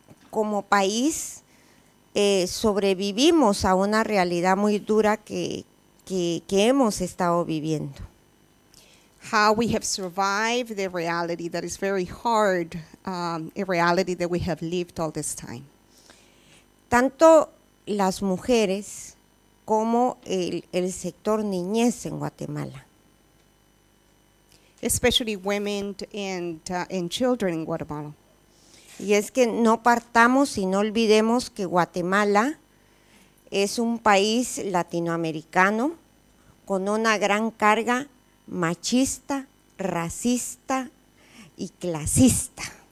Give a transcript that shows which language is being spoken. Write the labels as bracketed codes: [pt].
[es] Como país sobrevivimos a una realidad muy dura que hemos estado viviendo. [en] How we have survived the reality that is very hard, a reality that we have lived all this time. [es] Tanto las mujeres como el sector niñez en Guatemala. [en] Especially women and children in Guatemala. [es] Y es que no partamos y no olvidemos que Guatemala es un país latinoamericano con una gran carga machista, racista y clasista.